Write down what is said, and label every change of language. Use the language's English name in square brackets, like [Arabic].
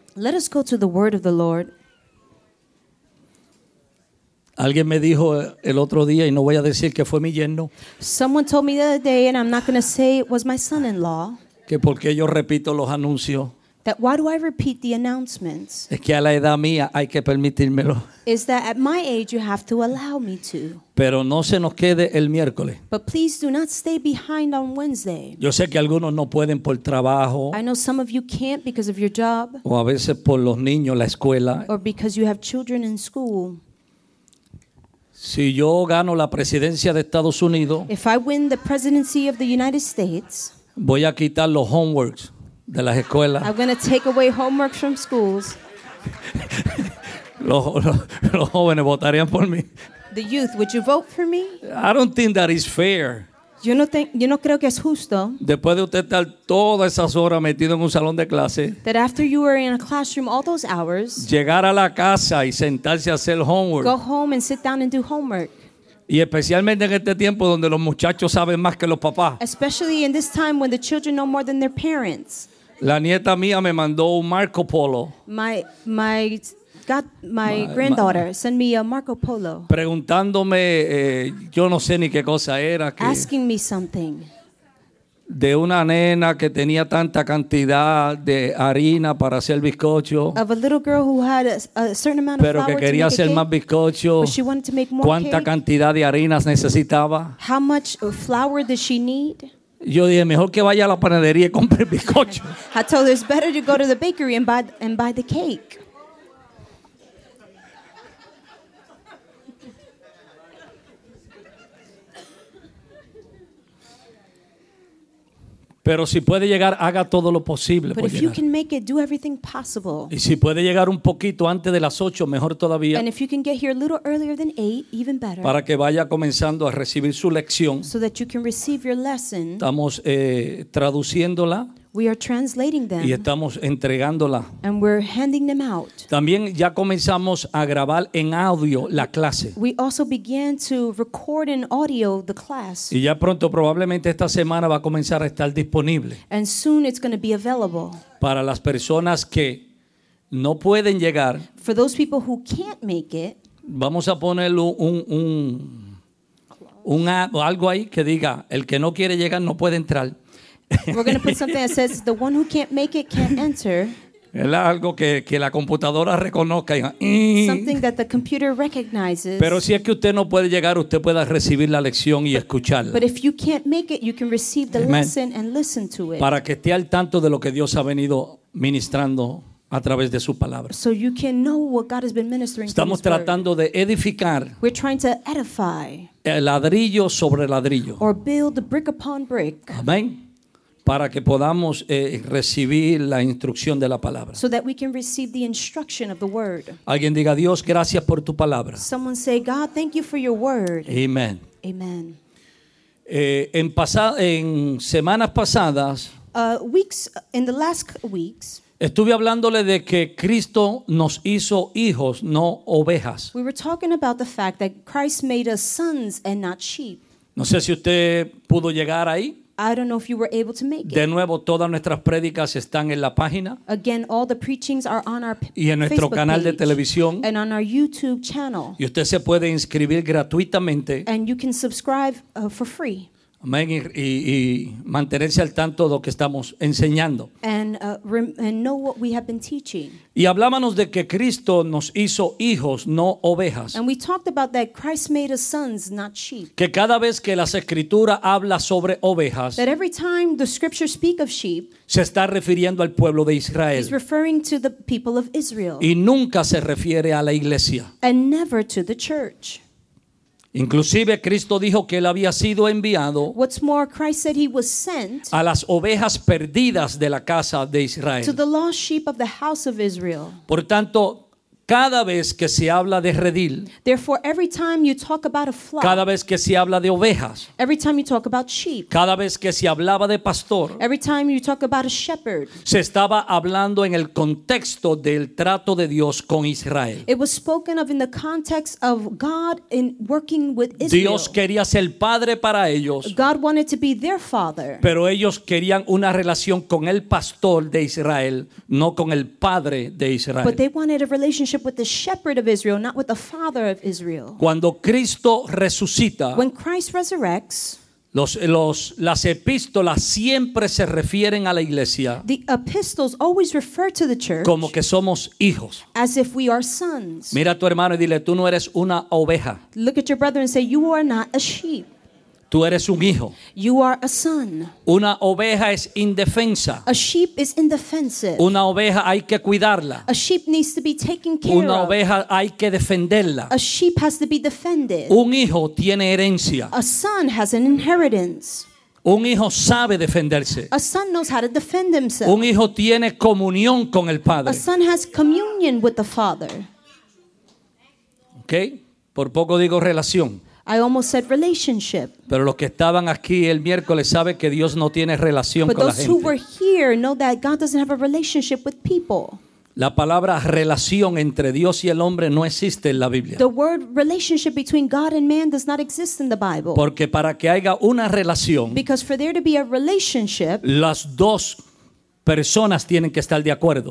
[English] Let us go to the word of the Lord. [Spanish] Alguien me dijo el otro día y no voy a decir que fue mi yerno. [English] Someone told me the other day and I'm not going to say it was my son-in-law. [Spanish] Que porque yo repito los anuncios. [English] That why do I repeat the announcements? [Spanish] Es que a la edad mía hay que permitírmelo. [English] Is that at my age you have to allow me to. [Spanish] Pero no se nos quede el miércoles. [English] But please do not stay behind on Wednesday. [Spanish] Yo sé que algunos no pueden por trabajo. [English] I know some of you can't because of your job. [Spanish] O a veces por los niños, la escuela. [English] Or because you have children in school. [Spanish] Si yo gano la presidencia de Estados Unidos, [English] if I win the presidency of the United States, [Spanish] voy a quitar los homeworks de las escuelas. [English] I'm going to take away homework from schools. [Spanish] los jóvenes votarían por mí. [English] The youth, would you vote for me? I don't think that is fair. [Spanish] Yo no creo que es justo. Después de usted estar todas esas horas metido en un salón de clase, [English] that after you were in a classroom all those hours, [Spanish] llegar a la casa y sentarse a hacer homework, [English] go home and sit down and do homework. [Spanish] Y especialmente en este tiempo donde los muchachos saben más que los papás. [English] Especially in this time when the children know more than their parents. [Spanish] La nieta mía me mandó un Marco Polo. [English] My granddaughter sent me a Marco Polo. [Spanish] Preguntándome, yo no sé ni qué cosa era. [English] Asking me something. [Spanish] De una nena que tenía tanta cantidad de harina para hacer bizcocho. [English] Of a little girl who had a certain amount of flour. [Spanish] Pero que quería [English] to make [Spanish] hacer más bizcocho. [English] But she wanted to make more. [Spanish] ¿Cuánta cantidad de harinas necesitaba? [English] How much flour does she need? [Spanish] Yo dije, mejor que vaya a la panadería y compre el bizcocho. [English] I told her it's better to go to the bakery and buy the cake. [Spanish] Pero si puede llegar, haga todo lo posible. [English] But if you can make it, do everything possible. [Spanish] Y si puede llegar un poquito antes de las 8, mejor todavía. [English] And if you can get here a little earlier than 8, even better. [Spanish] Para que vaya comenzando a recibir su lección. [English] So that you can receive your lesson. [Spanish] Estamos traduciéndola. [English] We are translating them. [Spanish] Y estamos entregándola. [English] And we're handing them out. [Spanish] También ya comenzamos a grabar en audio la clase. [English] We also began to record in audio the class. [Spanish] Y ya pronto, probablemente esta semana va a comenzar a estar disponible. [English] And soon it's going to be available. [Spanish] Para las personas que no pueden llegar. [English] For those people who can't make it. [Spanish] Vamos a ponerlo un algo ahí que diga, el que no quiere llegar no puede entrar. [English] We're going to put something that says the one who can't make it can't enter. [Spanish] Es algo que la computadora reconozca. [English] Something that the computer recognizes. [Spanish] Pero si es que usted no puede llegar, usted pueda recibir la lección y escucharla. [English] But if you can't make it, you can receive the lesson and listen to it. [Spanish] Para que esté al tanto de lo que Dios ha venido ministrando a través de su palabra. [English] So you can know what God has been ministering. [Spanish] Estamos tratando [English] word. [Spanish] De edificar. [English] We're trying to edify. [Spanish] Ladrillo sobre ladrillo. [English] Or build brick upon brick. [Spanish] Amén. Para que podamos recibir la instrucción de la palabra. [English] So that we can receive the instruction of the word. [Spanish] Alguien diga, Dios, gracias por tu palabra. [English] Someone say, God, thank you for your word. Amen. Amen. [Spanish] En semanas pasadas. [English] In the last weeks. [Spanish] Estuve hablándole de que Cristo nos hizo hijos, no ovejas. [English] We were talking about the fact that Christ made us sons and not sheep. [Spanish] No sé si usted pudo llegar ahí. [English] I don't know if you were able to make it. [Spanish] De nuevo, todas nuestras prédicas están en la página. [English] Again, all the preachings are on our Facebook page. [Spanish] Y en nuestro canal de televisión. [English] And on our YouTube channel. [Spanish] Y usted se puede inscribir gratuitamente. [English] And you can subscribe for free. [Spanish] Amén. Y mantenerse al tanto de lo que estamos enseñando. [English] And know what we have been teaching. [Spanish] Y hablábamos de que Cristo nos hizo hijos, no ovejas. [English] And we talked about that Christ made us sons, not sheep. [Spanish] Que cada vez que la Escritura habla sobre ovejas. [English] That every time the Scripture speak of sheep. [Spanish] Se está refiriendo al pueblo de Israel. [English] He's referring to the people of Israel. [Spanish] Y nunca se refiere a la iglesia. [English] And never to the church. [Spanish] Inclusive Cristo dijo que él había sido enviado. [English] What's more, Christ said he was sent [Spanish] a las ovejas perdidas de la casa de Israel. [English] To the lost sheep of the house of Israel. [Spanish] Por tanto, cada vez que se habla de redil, [English] therefore, every time you talk about a flock, [Spanish] cada vez que se habla de ovejas, [English] every time you talk about sheep, [Spanish] cada vez que se hablaba de pastor, [English] every time you talk about a shepherd, [Spanish] se estaba hablando en el contexto del trato de Dios con Israel. [English] It was spoken of in the context of God in working with Israel. [Spanish] Dios quería ser padre para ellos. [English] God wanted to be their father. [Spanish] Pero ellos querían una relación con el pastor de Israel, no con el padre de Israel. [English] But they wanted a relationship with the shepherd of Israel, not with the father of Israel. [Spanish] Cuando Cristo resucita, [English] when Christ resurrects, [Spanish] las epístolas siempre se refieren a la iglesia. [English] The epistles always refer to the church. [Spanish] Como que somos hijos. [English] As if we are sons. [Spanish] Mira a tu hermano y dile, tú no eres una oveja. [English] Look at your brother and say, you are not a sheep. [Spanish] Tú eres un hijo. [English] You are a son. [Spanish] Una oveja es indefensa. [English] A sheep is indefensive. [Spanish] Una oveja hay que cuidarla. [English] A sheep needs to be taken care of. [Spanish] Una oveja hay que defenderla. [English] A sheep has to be defended. [Spanish] Un hijo tiene herencia. [English] A son has an inheritance. [Spanish] Un hijo sabe defenderse. [English] A son knows how to defend himself. [Spanish] Un hijo tiene comunión con el padre. [English] A son has communion with the father. [Spanish] Okay. Por poco digo relación. [English] I almost said relationship. [Spanish] Pero los que estaban aquí el miércoles saben que Dios no tiene relación con la gente. [English] But those who were here know that God doesn't have a relationship with people. [Spanish] La palabra relación entre Dios y el hombre no existe en la Biblia. [English] The word relationship between God and man does not exist in the Bible. [Spanish] Porque para que haya una relación, [English] because for there to be a relationship, [Spanish] las dos personas tienen que estar de acuerdo.